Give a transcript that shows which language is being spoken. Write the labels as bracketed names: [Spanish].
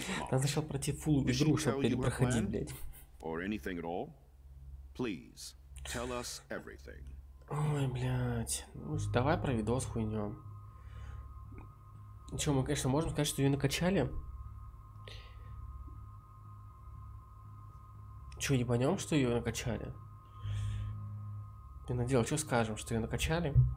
[Russian] Надо сначала пройти фул игру, чтобы перепроходить, блядь. [English] Please, tell us everything. [Russian] Ой, блядь. Ну, давай про видос хуйню. Че, мы, конечно, можем сказать, что ее накачали. Че, ебанем, что ее накачали? Я надел, что скажем, что ее накачали?